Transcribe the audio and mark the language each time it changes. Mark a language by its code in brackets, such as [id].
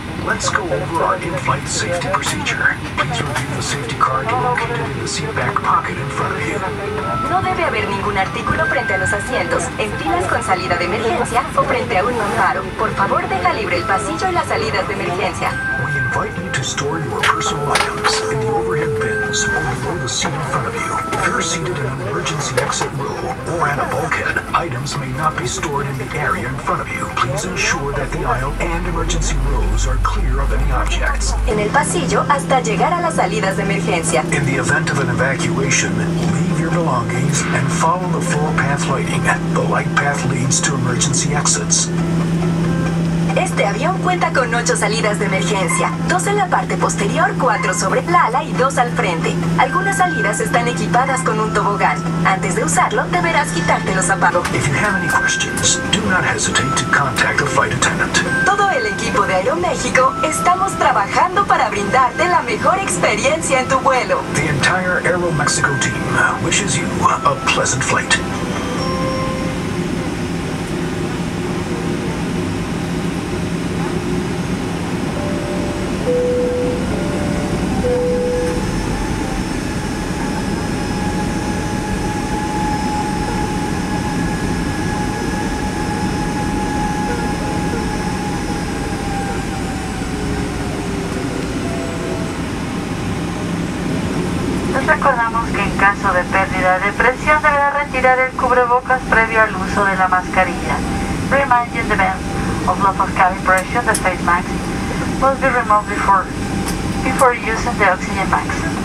[en] Let's go over our in-flight safety procedure. Please review the safety card located in the seat back pocket in front of you. [es] No debe haber ningún artículo frente a los asientos, en filas con salida de emergencia o frente a un amparo. Por favor, deja libre el pasillo y las salidas de emergencia. [en] We invite you to store your personal items in the overhead bins or below the seat in front of you. If you're seated in an emergency exit row or at a bulkhead, items may not be stored in the area in front of you. Please ensure that the aisle and emergency rows are clear of any objects. [es] En el pasillo hasta llegar a las salidas de emergencia. [en] In the event of an evacuation, leave your belongings and follow the full path lighting. The light path leads to emergency exits. [es] Este avión cuenta con 8 salidas de emergencia, 2 en la parte posterior, 4 sobre el ala y 2 al frente. Algunas salidas están equipadas con un tobogán. Antes de usarlo, deberás quitarte los zapatos. [en] If you have any questions, do not hesitate to contact a flight attendant. [es] Todo el equipo de Aeroméxico estamos trabajando para brindarte la mejor experiencia en tu vuelo. [en] The entire Aeroméxico team wishes you a pleasant flight. [es] Recordamos que en caso de pérdida de presión deberá retirar el cubrebocas previo al uso de la mascarilla. [en] Remind you in the event of loss of cabin pressure, the face mask must be removed before using the oxygen mask.